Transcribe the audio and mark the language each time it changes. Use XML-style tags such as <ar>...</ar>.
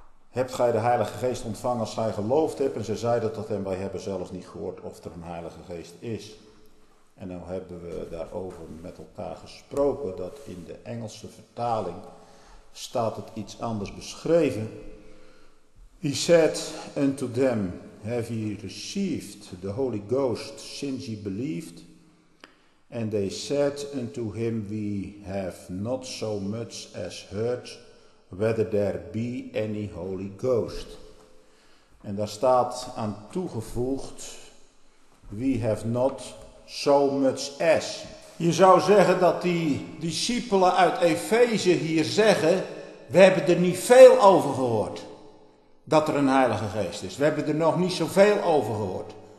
<nl>Hebt gij de Heilige Geest ontvangen als zij geloofd hebben? En ze zeiden tot hem, wij hebben zelf niet gehoord of er een Heilige Geest is. En nou hebben we daarover met elkaar gesproken, dat in de Engelse vertaling staat het iets anders beschreven.</nl> <en>He said unto them, have ye received the Holy Ghost since ye believed? And they said unto him, we have not so much as heard whether there be any Holy Ghost.</en> <nl>En daar staat aan toegevoegd,</nl> <en>we have not so much as.</en> <nl>Je zou zeggen dat die discipelen uit Efeze hier zeggen, we hebben er niet veel over gehoord dat er een Heilige Geest is. We hebben er nog niet zoveel over gehoord.</nl>